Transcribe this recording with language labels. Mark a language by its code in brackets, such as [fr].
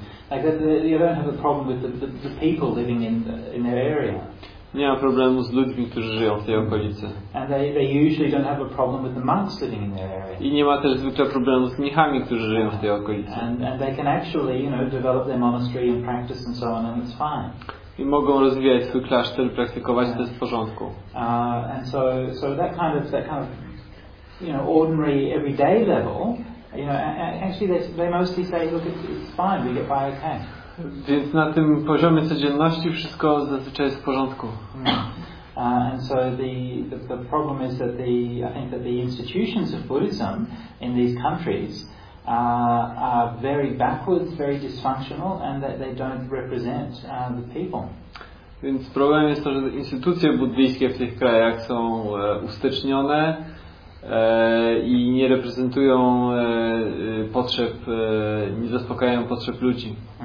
[en] Like that, they don't have a problem with the people living in their area. [pl] Nie ma problemu z ludźmi, którzy żyją w tej okolicy. [en] And they usually don't have a problem with the monks living in their area. [pl] I nie ma też zwykle problemu z mnichami, którzy żyją w tej okolicy. [en] And they can actually, you know, develop their monastery and practice and so on, and it's fine. [pl] I mogą rozwijać swój klasztor, praktykować to w porządku. [en] And so that kind of, you know, ordinary everyday level, you know, actually they mostly say, look, it's fine, we get by okay. [pl] Więc na tym poziomie codzienności wszystko zazwyczaj jest w porządku. [en] And so the problem is that I think that the institutions of Buddhism in these countries are very backwards, very dysfunctional, and that they don't represent the people. [pl] Więc problem jest to, że instytucje buddyjskie w tych krajach są ustecznione i nie reprezentują potrzeb, nie zaspokajają potrzeb ludzi.